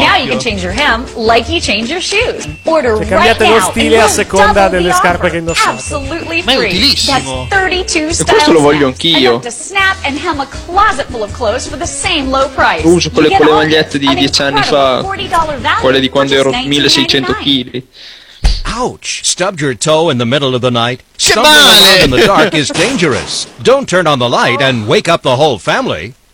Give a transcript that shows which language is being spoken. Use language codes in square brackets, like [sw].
[en] Now you can change your hem like you change your shoes. Order [it] cioè, cambiate [en] right [it] lo stile a seconda delle scarpe che indossate. [en] Absolutely free. [it] Ma è utilissimo. [en] That's 32 [it] e questo lo voglio anch'io. [en] To snap and hem a closet full of clothes for the same low price. [it] Uso quelle magliette di 10 anni fa, quelle di quando ero 1600 kg. [en] Ouch! Stubbed your toe in the middle of the night? [it] Che male! [en] In the dark is dangerous. Don't turn on the light and wake up the whole family.